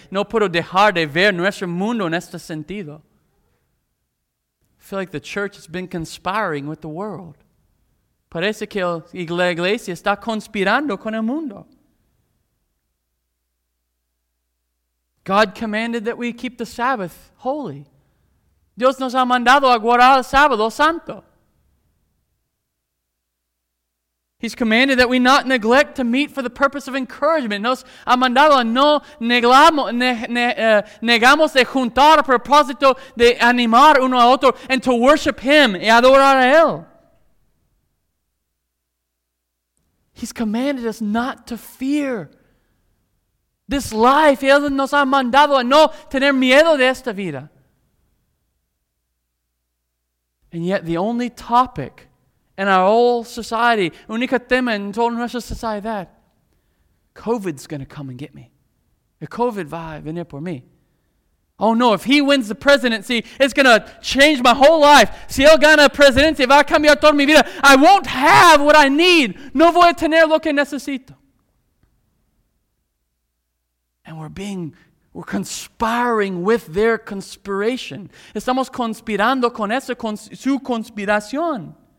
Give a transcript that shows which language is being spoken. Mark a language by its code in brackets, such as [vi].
[es] No puedo dejar de ver nuestro mundo en este sentido. [en] I feel like the church has been conspiring with the world. [es] Parece que la iglesia está conspirando con el mundo. [en] God commanded that we keep the Sabbath holy. [es] Dios nos ha mandado a guardar el sábado santo. [en] He's commanded that we not neglect to meet for the purpose of encouragement. [es] Nos ha mandado a no negamos de juntar a propósito de animar uno a otro [en] and to worship Him [es] y adorar a Él. [en] He's commanded us not to fear this life. [es] Él nos ha mandado a no tener miedo de esta vida. [en] And yet the only topic in our whole society, [es] única tema en toda nuestra sociedad, [en] COVID's going to come and get me. [es] If COVID va a venir por mí. [en] Oh no, if he wins the presidency, it's going to change my whole life. [es] Si él gana la presidencia, va a cambiar toda mi vida. [en] I won't have what I need. [es] No voy a tener lo que necesito. [en] And we're conspiring with their conspiration. [es] Estamos conspirando con esa su conspiración.